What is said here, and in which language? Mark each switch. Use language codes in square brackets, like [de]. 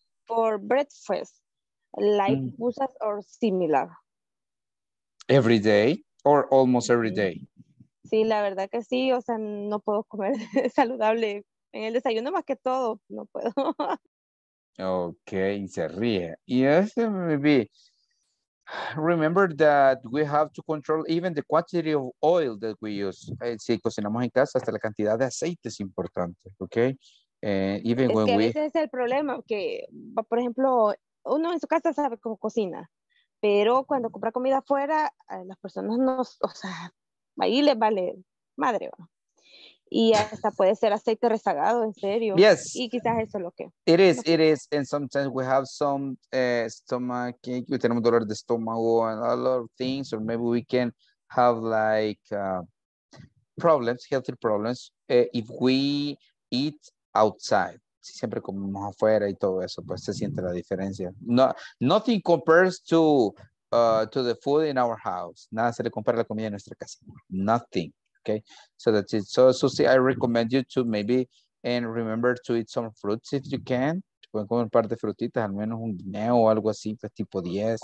[en] For breakfast, like pizzas or similar. Every day or almost every day. [es] Sí, la verdad que sí, o sea, no puedo comer saludable en el desayuno más que todo, no puedo. Okay, se ríe. [en] Yes, maybe. Remember that we have to control even the quantity of oil that we use. [es] Si cocinamos en casa, hasta la cantidad de aceite es importante, okay? [en] Even [es] es [en] when [es] que [en] we... [es] ese es el problema, que por ejemplo, uno en su casa sabe cómo cocina, pero cuando compra comida afuera, las personas no, o sea, ahí les vale madre, ¿no? Y hasta puede ser aceite rezagado, en serio. [en] Yes. [es] Y quizás eso es lo que... [en] It is. And sometimes we have some stomach, we [es] tenemos dolor de estómago [en] and a lot of things, or maybe we can have like problems, healthy problems, if we eat outside. [es] Si siempre comemos afuera y todo eso, pues se siente la diferencia. [en] No, nothing compares to the food in our house. [es] Nada se le compara a la comida en nuestra casa. [en] Nothing. Okay. So that's it. So Susie, I recommend you to maybe and remember to eat some fruits if you can. [es] Pueden comer un par de frutitas, al menos un guineo o algo así, pues tipo 10.